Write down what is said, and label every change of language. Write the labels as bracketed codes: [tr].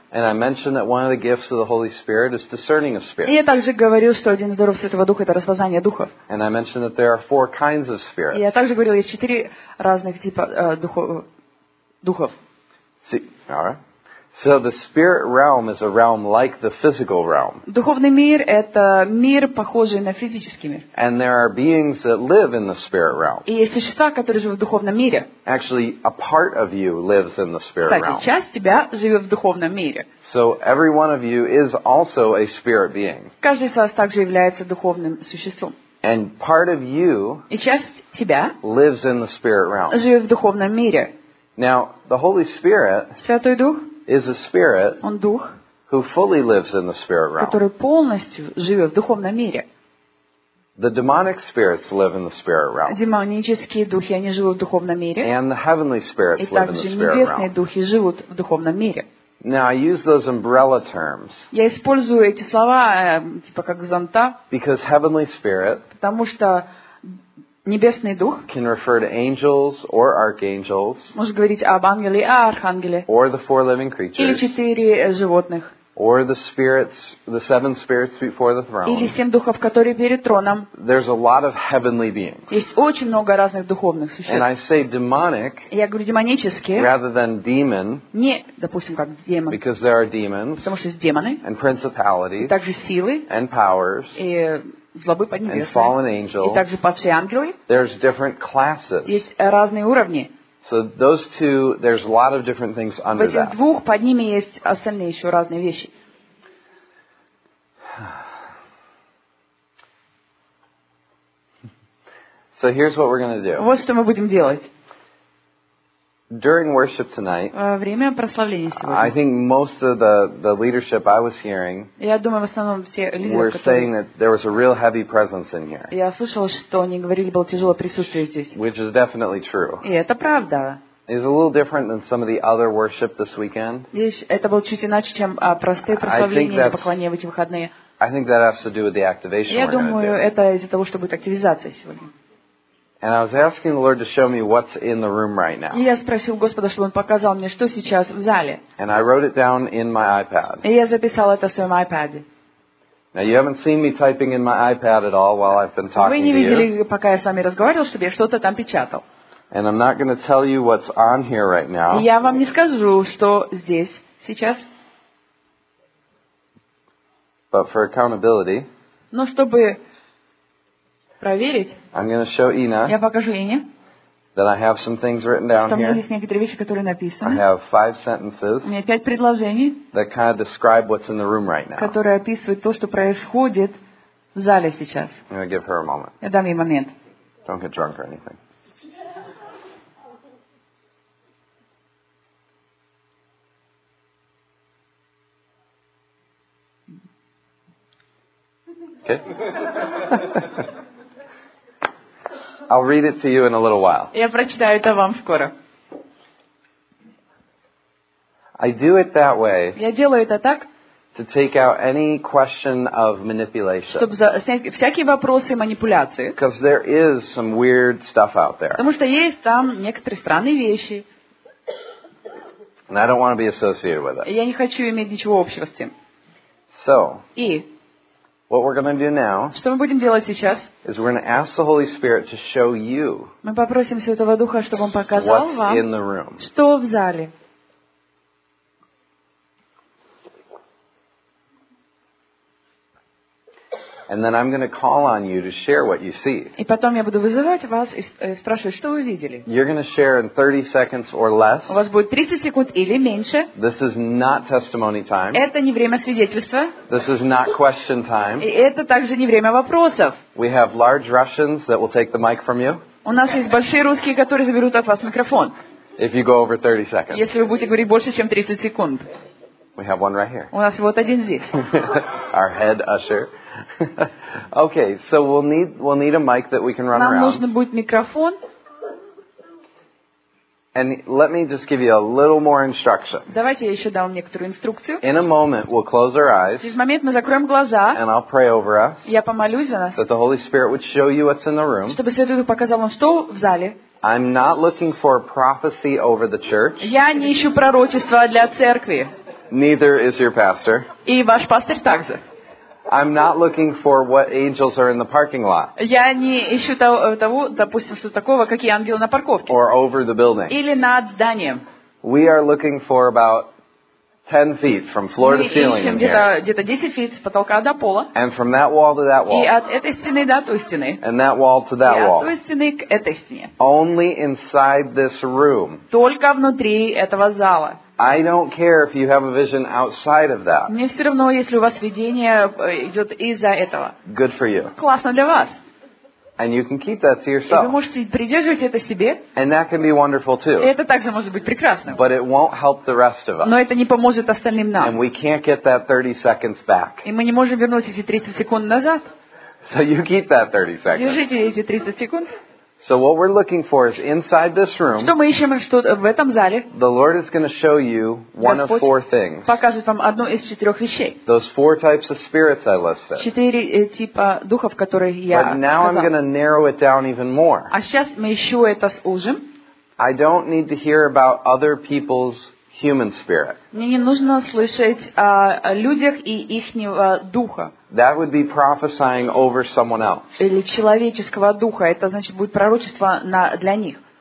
[en] And I mentioned that one of the gifts of the Holy Spirit is discerning of spirits. [ru] И я также говорил, что один из даров Святого Духа — это распознание духов. [en] And I mentioned that there are four kinds of spirits. [ru] И я также говорил, есть четыре разных типа духов. [en] See, all right. So the spirit realm is a realm like the physical realm. [ru] Духовный мир — это мир, похожий на физический мир. [en] And there are beings that live in the spirit realm. [ru] И есть существа, которые живут в духовном мире. [en] Actually, a part of you lives in the spirit realm. [ru] Кстати, часть тебя живет в духовном мире. [en] So every one of you is also a spirit being. [ru] Каждый из вас также является духовным существом. [en] And part of you lives in the spirit realm. [ru] Живет в духовном мире. [en] Now, the Holy Spirit [ru] Святой Дух [en] is a spirit [ru] Он дух, [en] who fully lives in the spirit realm. [ru] Который полностью живет в духовном мире. [en] The demonic spirits live in the spirit realm. [ru] Демонические духи, они живут в духовном мире. [en] And the heavenly spirits live in the spirit realm. [ru] И также небесные духи живут в духовном мире. [en] Now, I use those umbrella terms. [ru] Я использую эти слова, типа как зонта. [en] Because heavenly spirit [ru] потому что небесный дух [en] can refer to angels or archangels, [ru] может говорить об ангеле и архангеле, [en] or the four living creatures, [ru] или четыре животных, [en] or the spirits, the seven spirits before the throne, [ru] или семь духов, которые перед троном. [en] There's a lot of heavenly beings. [ru] Есть очень много разных духовных существ. [en] And I say demonic, [ru] я говорю демонически, [en] rather than demon, [ru] не, допустим, как демон, [en] because there are demons, [ru] потому что есть демоны, [en] and principalities, [ru] и также силы, [en] and powers, [ru] и злобы поднебесные. [en] And fallen angels. [ru] И также падшие ангелы. [en] There's different classes. [ru] Есть разные уровни. [en] So those two, there's a lot of different things under [ru] that. В этих двух под ними есть остальные еще разные вещи. [en] So here's what we're going to do. [ru] Вот что мы будем делать. [en] During worship tonight, [ru] во время прославления сегодня, [en] I think most of the leadership I was hearing, [ru] я думаю, в основном все лидеры, [en] were saying that there was a real heavy presence in here. [ru] Я слышала, что они говорили, было тяжелое присутствие здесь. [en] Which is definitely true. [ru] И это правда. [en] It's a little different than some of the other worship this weekend. [ru] Здесь это было чуть иначе, чем простые прославления или поклонения в эти выходные. [en] I think that has to do with the activation. [ru] Я думаю, это из-за того, что будет активизация сегодня. [en] And I was asking the Lord to show me what's in the room right now. [ru] И я спросил Господа, чтобы Он показал мне, что сейчас в зале. [en] And I wrote it down in my iPad. [ru] И я записал это в своем iPad. [en] Now you haven't seen me typing in my iPad at all while I've been talking to you. [ru] Вы не видели, пока я с вами разговаривал, чтобы я что-то там печатал. [en] And I'm not going to tell you what's on here right now. [ru] Я вам не скажу, что здесь сейчас. [en] But for accountability. [ru] Но чтобы проверить. [en] I'm going to show Ina. [ru] Я покажу Ине. [en] That I have some things written down [ru] Что у меня есть некоторые вещи, которые написаны. [en] I have 5 sentences. [ru] У меня 5 предложений. [en] That kind of describe what's in the room right now. [ru] Которые описывают то, что происходит в зале сейчас. [en] I'm going to give her a moment. [ru] Я дам ей момент. [en] Don't get drunk or anything. Okay. I'll read it to you in a little while. [ru] Я прочитаю это вам скоро. [en] I do it that way. [ru] Я делаю это так. [en] To take out any question of manipulation. [ru] Чтобы снять всякие вопросы манипуляции. [en] Because there is some weird stuff out there. [ru] Потому что есть там некоторые странные вещи. [en] And I don't want to be associated with it. [ru] Я не хочу иметь ничего общего с этим. [en] So. [ru] И. [en] What we're going to do now is we're going to ask the Holy Spirit to show you what's in the room. [ru] Что в зале. [en] And then I'm going to call on you to share what you see. [ru] И потом я буду вызывать вас и спрашивать, что вы видели. [en] You're going to share in 30 seconds or less. [ru] У вас будет 30 секунд или меньше. [en] This is not testimony time. [ru] Это не время свидетельства. [en] This is not question time. [ru] И это также не время вопросов. [en] We have large Russians that will take the mic from you. [ru] У нас есть большие русские, которые заберут от вас микрофон. [en] If you go over 30 seconds. [ru] Если вы будете говорить больше, чем 30 секунд. [en] We have one right here. [ru] У нас вот один здесь. [en] Our head usher. Okay, so we'll need a mic that we can run [ru] Нам [en] around. [ru] Нам нужно будет микрофон. [en] And let me just give you a little more instruction. [ru] Давайте я еще дам некоторую инструкцию. [en] In a moment, we'll close our eyes. [ru] Через момент мы закроем глаза. [en] And I'll pray over us. [ru] Я помолюсь за нас. [en] That the Holy Spirit would show you what's in the room. [ru] Чтобы Святой Дух показал вам, что в зале. [en] I'm not looking for a prophecy over the church. [ru] Я не ищу пророчества для церкви. [en] Neither is your pastor. [ru] И ваш пастырь также. [en] I'm not looking for what angels are in the parking lot. [ru] Я не ищу того, допустим, что такого, какие ангелы на парковке. [en] Or over the building. [ru] Или над зданием. [en] We are looking for about 10 feet from floor [ru] Мы [en] to ceiling [ru] ищем [en] in here. [ru] Где-то 10 feet с потолка до пола. [en] And from that wall to that wall. [ru] И от этой стены до той стены. [en] And that wall to that wall. [ru] И от той стены к этой стене. [en] Only inside this room. [ru] Только внутри этого зала. [en] I don't care if you have a vision outside of that. [ru] Мне все равно, если у вас видение идет из-за этого. [en] Good for you. [ru] Классно для вас. [en] And you can keep that to yourself. [ru] И вы можете придерживать это себе. [en] And that can be wonderful too. [ru] И это также может быть прекрасным. [en] But it won't help the rest of us. [ru] Но это не поможет остальным нам. [en] And we can't get that 30 seconds back. [ru] И мы не можем вернуть эти 30 секунд назад. [en] So you keep that 30 seconds. [ru] Держите эти 30 секунд. [en] So what we're looking for is inside this room. [ru] Что мы ищем, что в этом зале? [en] The Lord is going to show you one of four things. [ru] Покажет вам одну из четырех вещей. [en] Those four types of spirits I listed. [ru] Четыре типа духов, которые я сказал. [en] But now I'm going to narrow it down even more. [ru] А сейчас мы еще это сужим. [en] I don't need to hear about other people's human spirit. [ru] Мне не нужно слышать о людях и ихнего духа. [en] That would be prophesying over someone else. [ru] Или человеческого духа, это значит будет пророчество на для них.